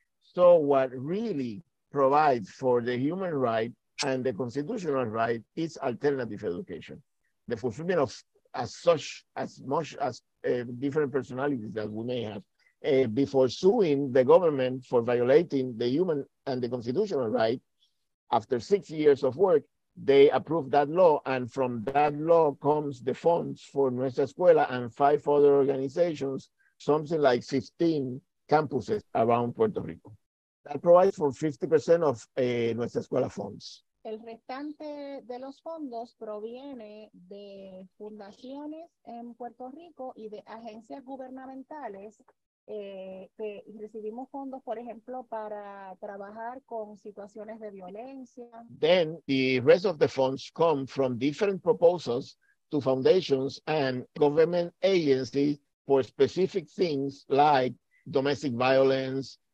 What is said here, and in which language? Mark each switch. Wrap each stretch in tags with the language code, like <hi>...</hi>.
<en>So what really provide for the human right and the constitutional right is alternative education, the fulfillment of as much as different personalities that we may have before suing the government for violating the human and the constitutional right. After 6 years of work, they approved that law, and from that law comes the funds for Nuestra Escuela and five other organizations, something like 15 campuses around Puerto Rico. That provides for 50% of Nuestra Escuela funds.</en> <es>El restante de los fondos proviene de fundaciones en Puerto Rico y de agencias gubernamentales que recibimos fondos, por ejemplo, para trabajar con situaciones de violencia.</es> <en>Then the rest of the funds come from different proposals to foundations and government agencies for specific things like domestic violence,</en>